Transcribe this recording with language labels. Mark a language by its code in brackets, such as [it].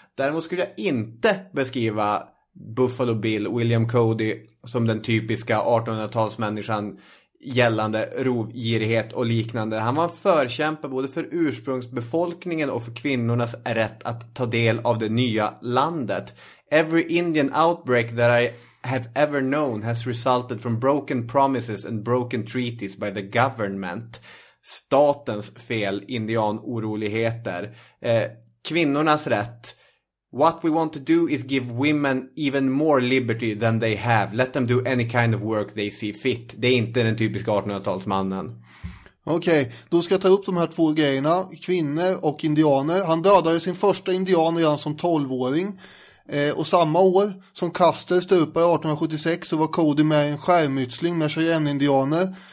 [sv] Däremot skulle jag inte beskriva Buffalo Bill, William Cody, som den typiska 1800-talsmänniskan gällande rovgirighet och liknande. Han var en förkämpe både för ursprungsbefolkningen och för kvinnornas rätt att ta del av det nya landet. [en] Every Indian outbreak that I have ever known has resulted from broken promises and broken treaties by the government. [sv] Statens fel, indianoroligheter. Kvinnornas rätt. [en] What we want to do is give women even more liberty than they have. Let them do any kind of work they see fit. [sv] Det är inte den typiska 1800-talsmannen. Okej, okay, då ska jag ta upp de här två grejerna. Kvinnor och indianer. Han dödade sin första indian redan som 12-åring. Och samma år som Custer stupade 1876 så var Cody med i en skärmytsling med Cheyenne-indianer.